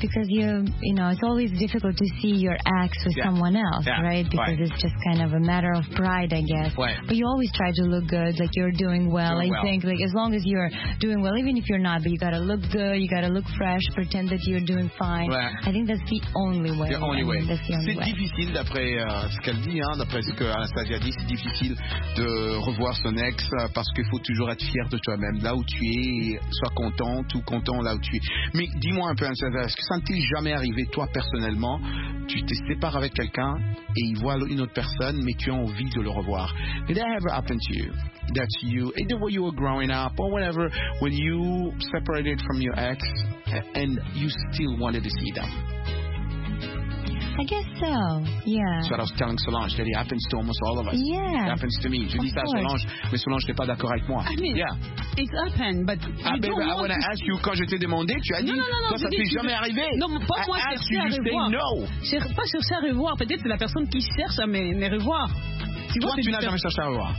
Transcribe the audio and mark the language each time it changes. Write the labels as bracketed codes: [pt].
[en] because it's always difficult to see your ex with someone else, right? Because it's just kind of a matter of pride, I guess. Right. But you always try to look good, like you're doing well. Doing I think, well. Like as long as you're doing well, even if you're not, but you gotta look good, you gotta look fresh, pretend that you're doing fine. Right. I think that's the only way. [fr] C'est difficile, d'après ce qu'elle dit, hein, d'après ce que Anastasia dit, c'est difficile de revoir son ex parce qu'il faut toujours être fier de toi-même, là où tu es, sois content. Tout content là où tu es. Mais dis-moi un peu, est-ce que ça ne t'est jamais arrivé, toi personnellement, tu te sépares avec quelqu'un et il voit une autre personne, mais tu as envie de le revoir? [en] Did that ever happen to you? That you, either when you were growing up or whatever, when you separated from your ex and you still wanted to see them? I guess so, yeah. That's what I was telling Solange, that it happens to almost all of us. Yeah. It happens to me. [fr] Je dis ça à Solange, mais Solange n'est pas d'accord avec moi. [en] I mean, yeah. It's happened, but I want to ask you, [fr] quand je t'ai demandé, tu as dit, toi, ça ne t'est jamais arrivé. Non, pas moi, chercher à revoir. [en] You say no. [fr] Pas chercher à revoir, peut-être c'est la personne qui cherche à me revoir. Tu vois, toi, tu n'as jamais cherché à revoir.